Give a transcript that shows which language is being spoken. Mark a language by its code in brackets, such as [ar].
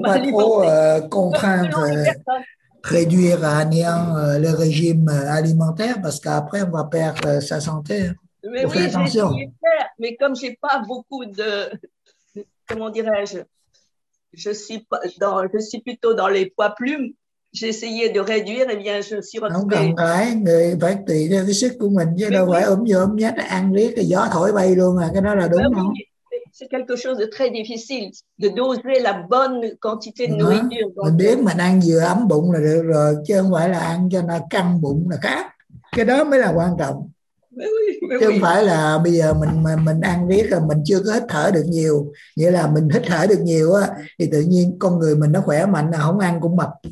[fr] Non, mais il ne faut pas trop contraindre, réduire à néant le régime alimentaire parce qu'après, on va perdre sa santé. Mais oui, j'ai essayé de faire, mais comme je n'ai pas beaucoup de... Comment dirais-je? Je suis plutôt dans les poids plumes. J'ai essayé de réduire, et bien je suis retrouvée. [vi] Non, không phải, người phải tùy theo cái sức của mình chứ đâu phải ôm nhớ ôm nhét ăn riết cái gió thổi bay luôn à, cái đó là đúng không? [fr] c'est quelque chose de très difficile de doser la bonne quantité de nourriture. [vi] Mình donc, biết mình ăn vừa ấm bụng là được rồi, chứ không phải là ăn cho nó căng bụng là khác. Cái đó mới là quan trọng. Chứ không phải là bây giờ mình ăn riết là mình chưa có hít thở được nhiều, nghĩa là mình hít thở được nhiều á thì tự nhiên con người mình nó khỏe mạnh, là không ăn cũng mập.